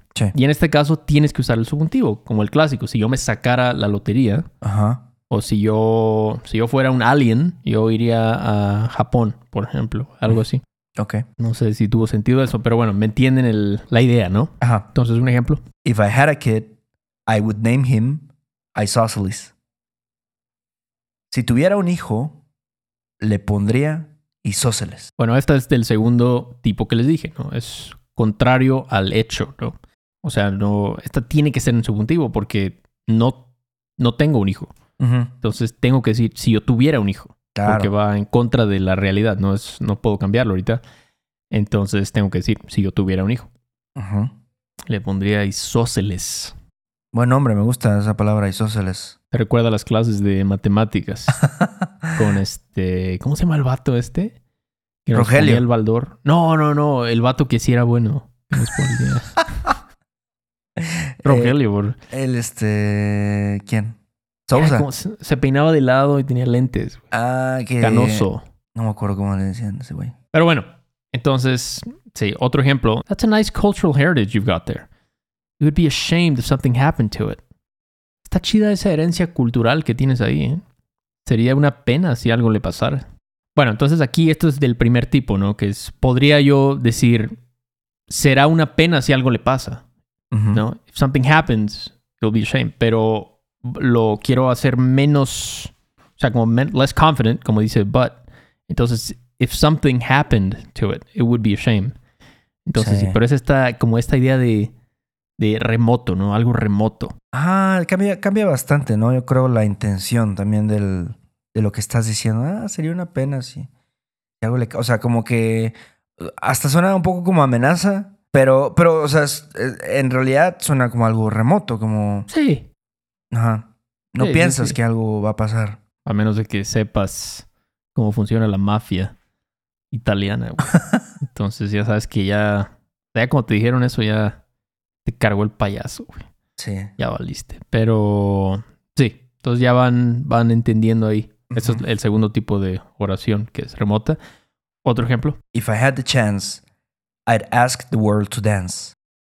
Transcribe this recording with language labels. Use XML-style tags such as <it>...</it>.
<es>Sí. Y en este caso tienes que usar el subjuntivo, como el clásico. Si yo me sacara la lotería... Ajá. O si yo fuera un alien, yo iría a Japón, por ejemplo. Algo así. Ok. No sé si tuvo sentido eso, pero bueno, me entienden la idea, ¿no? Ajá. Entonces, un ejemplo.</es> <en>If I had a kid, I would name him Isosceles.</en> <es>Si tuviera un hijo, le pondría Isósceles. Bueno, esta es del segundo tipo que les dije, ¿no? Es contrario al hecho, ¿no? O sea, no, esta tiene que ser en subjuntivo porque no tengo un hijo. Entonces tengo que decir si yo tuviera un hijo, claro. Porque va en contra de la realidad, no puedo cambiarlo ahorita. Entonces tengo que decir si yo tuviera un hijo. Le pondría isósceles. Buen nombre, me gusta esa palabra, isósceles. Te recuerda a las clases de matemáticas con ¿cómo se llama el vato este? Que nos Rogelio. Ponía el Baldor. No, el vato que sí era bueno. Rogelio, bro. ¿Quién? Sousa. Se peinaba de lado y tenía lentes. Ah, qué... Canoso. No me acuerdo cómo le decían a ese güey. Pero bueno, entonces, sí, otro ejemplo.</es> <en>That's a nice cultural heritage you've got there. You would be ashamed if something happened to it.</en> <es>Está chida esa herencia cultural que tienes ahí, ¿eh? Sería una pena si algo le pasara. Bueno, entonces aquí esto es del primer tipo, ¿no? Que es, podría yo decir, será una pena si algo le pasa, ¿no?</es> <en>If something happens, you'll be ashamed.</en> <es>Pero... lo quiero hacer menos, o sea, como</es> <en>less confident,</en> <es>como dice, but. Entonces,</es> <en>if something happened to it, it would be a shame.</en> <es>Entonces, sí. Pero es esta idea de remoto, ¿no? Algo remoto. Ah, cambia bastante, ¿no? Yo creo la intención también de lo que estás diciendo. Ah, sería una pena, sí. O sea, como que hasta suena un poco como amenaza. Pero, o sea, en realidad suena como algo remoto, como... Sí. Ajá. No sí, piensas sí, sí. que algo va a pasar. A menos de que sepas cómo funciona la mafia italiana, güey. Entonces ya sabes que ya... Ya como te dijeron eso, ya te cargó el payaso, güey. Sí. Ya valiste. Pero sí, entonces ya van entendiendo ahí. Uh-huh. Ese es el segundo tipo de oración, que es remota. ¿Otro ejemplo?</es> <en>If I had the chance, I'd ask the world to dance.</en>